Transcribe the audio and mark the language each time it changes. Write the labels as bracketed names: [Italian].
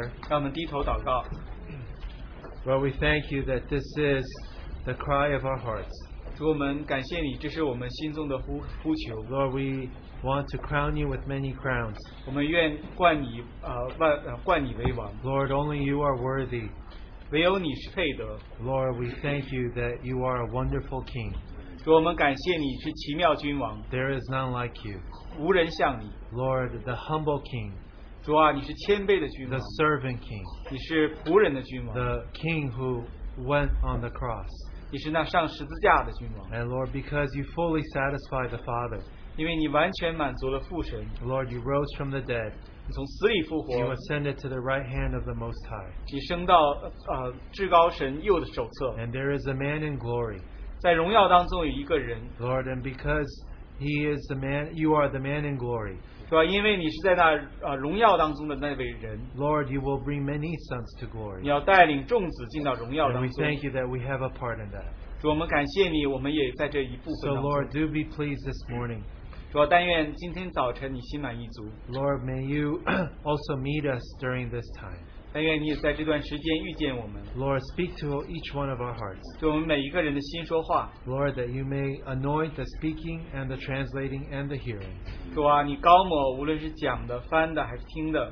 [English] Lord, we thank you that this is the cry of our hearts. [Chinese] 主，我们感谢你，这是我们心中的呼求。 [English] Lord, we want to crown you with many crowns. [Chinese] 我们愿冠你冠你为王。 [English] Lord, only you are worthy. [Chinese] 唯有你是配得。 [English] Lord, we thank you that you are a wonderful king. [Chinese] 主，我们感谢你是奇妙君王。 [English] There is none like you. [Chinese] 无人像你。 [English] Lord, the humble king. [Chinese] 主啊，你是谦卑的君王。 [English] The servant king. [Chinese] 你是仆人的君王。 [English] The king who went on the cross. [Chinese] 你是那上十字架的君王。 [English] And Lord, because you fully satisfy the Father. [Chinese] 因为你完全满足了父神。 [English] Lord, you rose from the dead. [Chinese] 你从死里复活。 [English] You ascended to the right hand of the Most High. [Chinese] 你升到至高神右的手侧。 [English] And there is a man in glory. [Chinese] 在荣耀当中有一个人。 [English] Lord, and because he is the man, you are the man in glory. [Chinese] 对吧？因为你是在那荣耀当中的那位人。 [English] Lord, you will bring many sons to glory. [Chinese] 你要带领众子进到荣耀当中。 [English] And we thank you that we have a part in that. [Chinese] 主，我们感谢你，我们也在这一部分当中。 [English] So Lord, do be pleased this morning. [Chinese] 主，但愿今天早晨你心满意足。 [English] Lord, may you also meet us during this time. [Chinese] 但愿你也在这段时间遇见我们。 [English] Lord, speak to each one of our hearts. [Chinese] 对我们每一个人的心说话。 [English] Lord, that you may anoint the speaking and the translating and the hearing. [Chinese] 主啊，你膏抹无论是讲的、翻的还是听的。